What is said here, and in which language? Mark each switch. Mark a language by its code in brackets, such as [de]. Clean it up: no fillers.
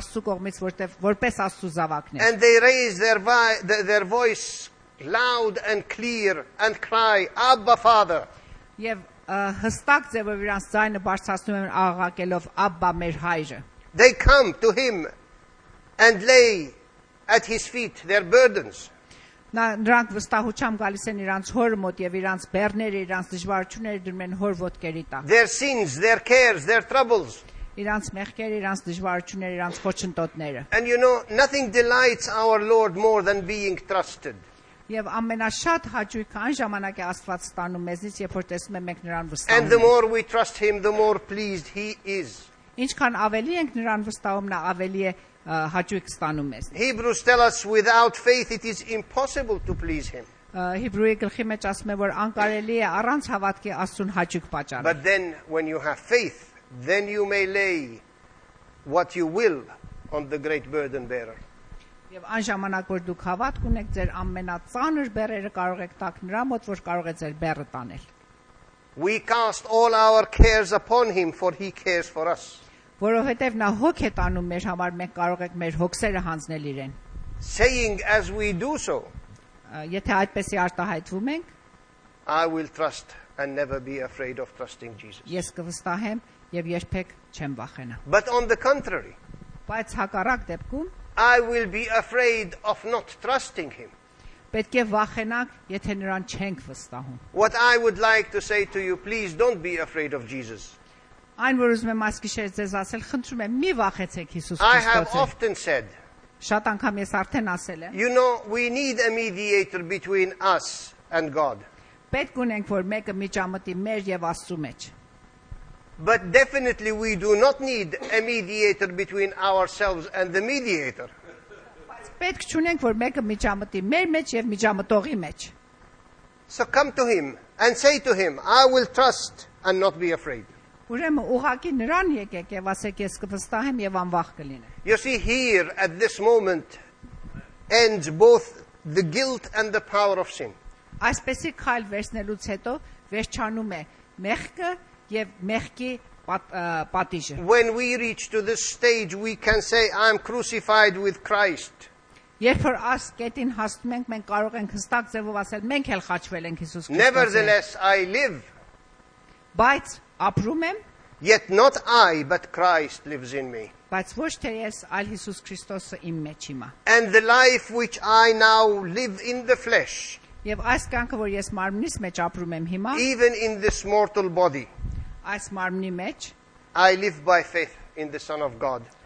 [en] And they raise their voice loud and clear and cry, Abba, Father. [hy] Եվ հստակ ձևով իրանց ձայնը բարձրացնում են աղաղակելով Աբա մեր հայրը։ [en] They come to him and lay at his feet their burdens. [hy] Նա նրանք վստահությամբ գալիս են իրանց հոր մոտ եւ իրանց բեռները, իրանց դժվարությունները դնում են հոր ոտքերի տակ։ [en] Their sins, their cares, their troubles. [hy] Իրանց մեղքեր, իրանց դժվարությունները, իրանց խոչընդոտները։ [en] And you know, nothing delights our Lord more than being trusted. [hy] Եվ ամենաշատ հաճույքը այն ժամանակ է Աստված ստանում մեզից, երբ որ տեսնում ենք մենք նրան վստահում։ [en] And the more we trust him, the more pleased he is. [hy] Ինչքան ավելի ենք նրան վստահում, նա ավելի է հաճույք ստանում ես։ [en] Hebrews tell us without faith it is impossible to please him. [hy] Հիբրուի գլխի մեջ ասում է, որ անկարելի է առանց հավատքի Աստուն հաճույք պատճառել։ [en] But then when you have faith, then you may lay what you will on the great burden bearer. [hy] Եվ այն ժամանակ, որ դուք հավատք ունեք, ձեր ամենածանր բերերը կարող եք տակ նրա մոտ, որ կարող է ձեր բերը տանել։ [en] We cast all our cares upon him, for he cares for us. [hy] Որովհետև նա հոգ է տանում մեր համար, մենք կարող ենք մեր հոգսերը հանձնել իրեն։ [en] Saying as we do so. [hy] Եթե այդպեսի արտահայտվում ենք, [en] I will trust and never be afraid of trusting Jesus. [hy] Ես կվստահեմ եւ երբեք չեմ վախենա։ [en] But on the contrary. [hy] Բայց հակառակ դեպքում, [en] I will be afraid of not trusting him. [hy] Պետք է վախենանք, եթե նրան չենք վստահում։ [en] What I would like to say to you, please don't be afraid of Jesus. [hy] Այն որ ուզում եմ ասկիշեր ձեզ ասել, խնդրում եմ, մի վախեցեք Հիսուս Քրիստոսին։ [en] I have often said. [hy] Շատ անգամ ես արդեն ասել եմ։ [en] You know, we need a mediator between us and God. [hy] Պետք ունենք, որ մեկը միջամտի մեր եւ Աստու մեջ։ [en] But definitely we do not need a mediator between ourselves and the mediator. [hy] Պետք չունենք, որ մեկը միջամտի մեր մեջ եւ միջամտողի մեջ։ [en] So come to him and say to him, I will trust and not be afraid. [hy] Ուրեմն ուղակի նրան եկեք եւ ասեք, ես կվստահեմ եւ անվախ կլինեմ։ [en] You see, here at this moment ends both the guilt and the power of sin. [hy] Այսպեսի քայլ վերցնելուց հետո վերջանում է մեղքը եւ մեղքի պատիժը։ [en] When we reach to this stage, we can say, I'm crucified with Christ. [hy] Երբ որ աս կետին հասնում ենք, մենք կարող ենք հստակ ձևով ասել, մենք էլ խաչվել ենք Հիսուս Քրիստոսին։ [en] Nevertheless, I live. [hy] Բայց ապրում եմ։ [en] Yet not I, but Christ lives in me. [hy] Բայց ոչ թե ես, այլ Հիսուս Քրիստոսը իմ մեջ իմա։ [en] And the life which I now live in the flesh. [hy] Եվ այս կյանքը, որ ես մարմնիս մեջ ապրում եմ հիմա, [en] even in this mortal body. [hy] Այս մարմնի մեջ [en] I live by faith in the Son of God.